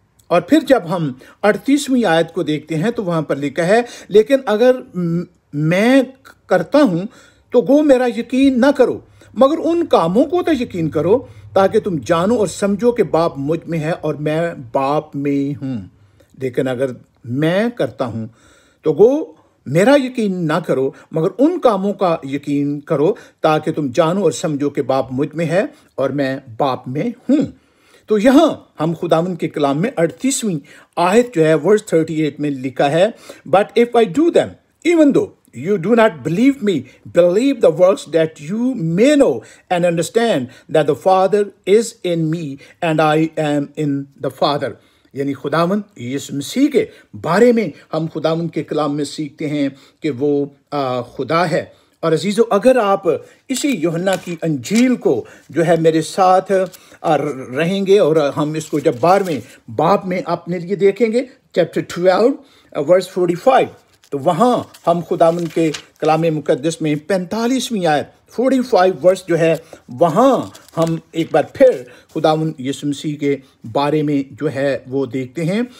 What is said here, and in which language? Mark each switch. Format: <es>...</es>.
<ur>اور پھر جب ہم 38 آیت کو دیکھتے ہیں تو وہاں پر لکھا ہے، لیکن اگر میں کرتا ہوں تو گو میرا یقین نہ کرو، مگر ان کاموں کو تو یقین کرو تاکہ تم جانو اور سمجھو کہ باپ مجھ میں ہے اور میں باپ میں ہوں. لیکن اگر میں کرتا ہوں تو گو میرا یقین نہ کرو، مگر ان کاموں کا یقین کرو تاکہ تم جانو اور سمجھو کہ باپ مجھ میں ہے اور میں باپ میں ہوں. تو یہاں ہم خداوند کے کلام میں 38 آیت جو ہے ورس 38 میں لکھا ہے،</ur> <en>But if I do them even though you do not believe me, believe the works that you may know and understand that the Father is in me and I am in the Father.</en> <ur>یعنی خداوند یسوع مسیح کے بارے میں ہم خداوند کے کلام میں سیکھتے ہیں کہ وہ خدا ہے. اور عزیزو، اگر آپ اسی یوحنا کی انجیل کو جو ہے میرے ساتھ رہیں گے اور ہم اس کو جب 12th باب میں اپنے لیے دیکھیں گے، چیپٹر 12 ورس 45، تو وہاں ہم خداوند کے کلام مقدس میں 45 آیت 45 جو ہے وہاں ہم ایک بار پھر خداوند یسوع مسیح کے بارے میں جو ہے وہ دیکھتے ہیں.</ur>